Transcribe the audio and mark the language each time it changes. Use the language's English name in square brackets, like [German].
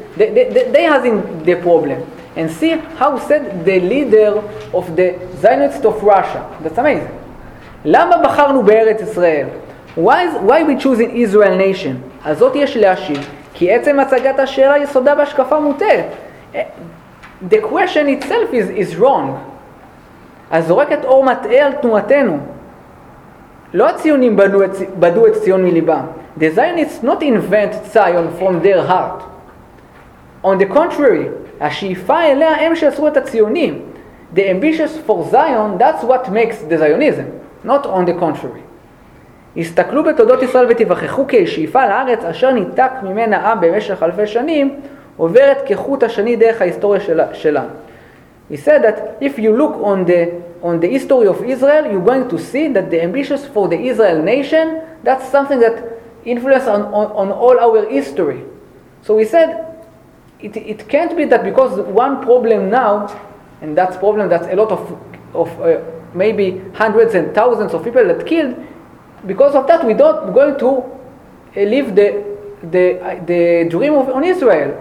[English] They has in the problem. And see how said the leader of the Zionists of Russia. That's amazing. [Hebrew] למה בחרנו בארץ ישראל? [English] Why we choose in Israel nation? [Hebrew] אז זאת יש להשיב. כי עצם הצגת השאלה יסודה בהשקפה מוטעת. [English] The question itself is wrong. [Hebrew] הזורקת אור מטעה על תנועתנו. לא הציונים בדו את ציון מליבם. [English] The Zionists not invent Zion from their heart. On the contrary, [Hebrew] השאיפה אליה הם שעשו את הציונים. [English] The ambitious for Zion, that's what makes the Zionism. Not on the contrary. [Hebrew] הסתכלו בתודות ישראל ותיווכחו כי השאיפה לארץ אשר ניתק ממנה עם במשך אלפי שנים עוברת כחוט השני דרך ההיסטוריה שלה. [English] He said that if you look on the history of Israel, you're going to see that the ambitions for the Israel nation, that's something that influenced on all our history. So he said, it can't be that because one problem now, and that's problem that's a lot of maybe hundreds and thousands of people that killed, because of that we're not going to live the dream of on Israel.